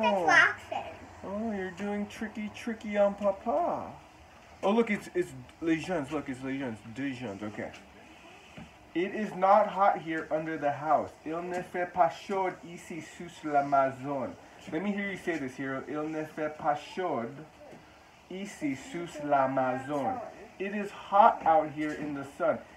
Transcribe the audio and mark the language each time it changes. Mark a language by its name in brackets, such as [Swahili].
[English] I'm touching the tracks and licking your eyes. Oh, you're doing tricky on Papa. Oh, look, it's Legions. Look, it's Legions. Legions, okay. It is not hot here under the house. [French] Il ne fait pas chaud ici sous la maison. [English] Let me hear you say this, Hiro. [French] Il ne fait pas chaud ici sous la maison. [English] It is hot out here in the sun.